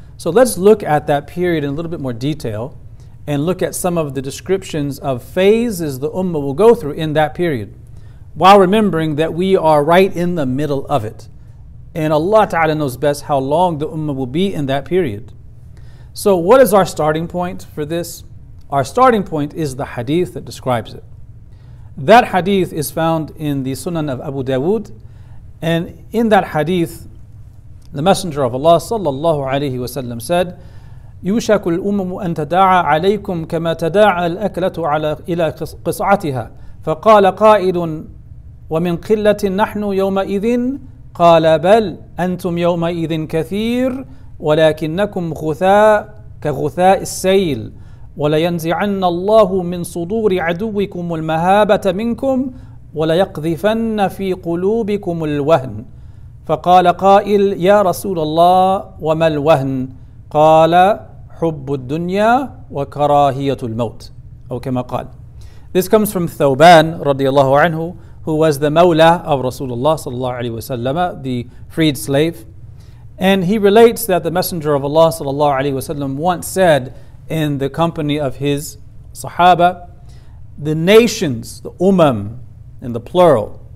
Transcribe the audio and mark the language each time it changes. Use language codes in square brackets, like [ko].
[en] So let's look at that period in a little bit more detail and look at some of the descriptions of phases the ummah will go through in that period, while remembering that we are right in the middle of it. And Allah Ta'ala knows best how long the ummah will be in that period. So what is our starting point for this? Our starting point is the hadith that describes it. That hadith is found in the Sunan of Abu Dawud. And in that hadith, the Messenger of Allah sallallahu alayhi wa sallam said, [ar] يُوشَكُ الْأُمَمُ أَن تَدَاعَ عَلَيْكُمْ كَمَا تَدَاعَ الْأَكْلَةُ عَلَىٰ إِلَىٰ قِصْعَتِهَا فَقَالَ قَائِدٌ وَمِنْ قِلَّةٍ نَحْنُ يَوْمَئِذٍ قَالَ بَلْ أَنْتُمْ يَوْمَئِذٍ كَثِيرٌ وَلَكِنَّكُمْ غُثَاءٌ كَغُثَاءِ السَّيْلِ وَلَيَنْزِعَنَّ اللَّهُ مِنْ صُدُورِ عَدُوِّكُمُ الْمَهَابَةَ مِنْكُمْ وَلَيَقْذِفَنَّ فِي قُلُوبِكُمُ الْوَهْنِ فَقَالَ قَائِلْ يَا رَسُولَ اللَّهِ وَمَا الْوَهْنِ قَالَ حُبُّ الدُّنْيَا وَكَرَاهِيَةُ الْمَوْتِ أو كما قال. [en] This comes from Thawban [ar] رضي الله عنه, [en] who was the mawla of Rasulullah [ar] صلى الله عليه وسلم, [en] the freed slave. And he relates that the Messenger of Allah [ar] صلى الله عليه وسلم [en] once said in the company of his Sahaba, the nations, the umam, in the plural.